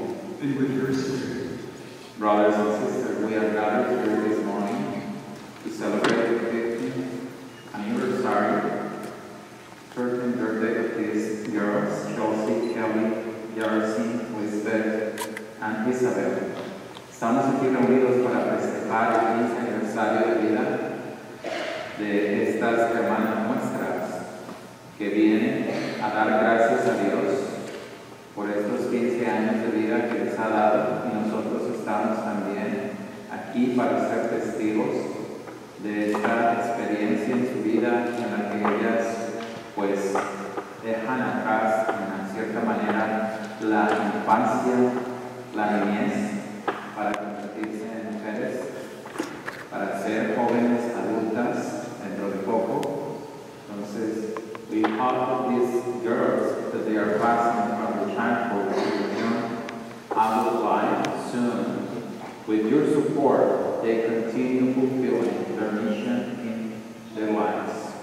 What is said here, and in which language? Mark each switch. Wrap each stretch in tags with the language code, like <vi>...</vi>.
<en>And with your spirit. Brothers and sisters, we are gathered here this morning to celebrate the 15th anniversary, 13th birthday of these girls, Chelsea, Kelly, Yarcy, Lisbeth, and Isabel.</en> <es>Estamos aquí reunidos para festejar el 15 aniversario de vida de estas hermanas nuestras que vienen a dar gracias a Dios por estos 15 años de vida que les ha dado, y nosotros estamos también aquí para ser testigos de esta experiencia en su vida en la que ellas pues dejan atrás en una cierta manera la infancia, la niñez, para convertirse en mujeres, para ser jóvenes adultas dentro de poco.</es> <en>Entonces, we hope of these girls that they are passing from the childhood to the young adult life soon. With your support, they continue fulfilling their mission in their lives.</en>